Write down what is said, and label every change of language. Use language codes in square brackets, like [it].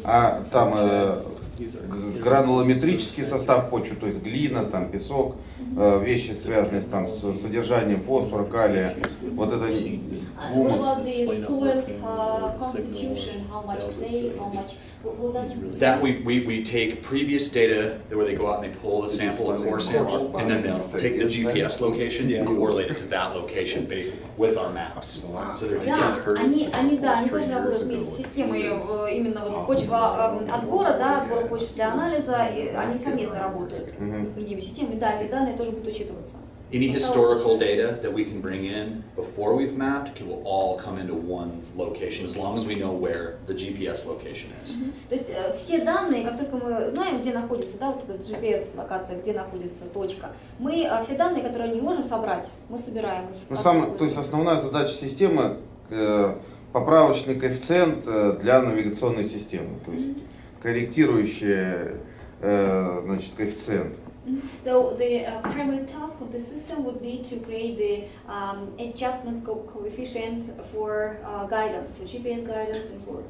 [ru] А там гранулометрический состав почвы, то есть глина, там, песок, вещи, связанные там, с содержанием фосфора, калия, вот это гумус. [en] That we take previous data where they go out and they pull a sample, a core sample, and then they'll take the GPS location and correlate it to that location based with our maps. So they're taking curves. [ru] Да, они да, они тоже работают вместе с системой именно вот почва отбора, да, отбора почвы для анализа, и они совместно работают другими системами. Да, эти данные тоже будут учитываться. Any historical data that we can bring in before we've mapped, it will all come into one location, as long as we know where the GPS location is. То есть все данные, как только мы знаем, где находится, да, вот эта GPS локация, где находится точка, мы все данные, которые не можем собрать, мы собираем. То есть основная задача системы поправочный коэффициент для навигационной системы, то есть корректирующий, значит, коэффициент. [en] So the primary task of the system would be to create the adjustment coefficient for guidance, for GPS guidance, and for.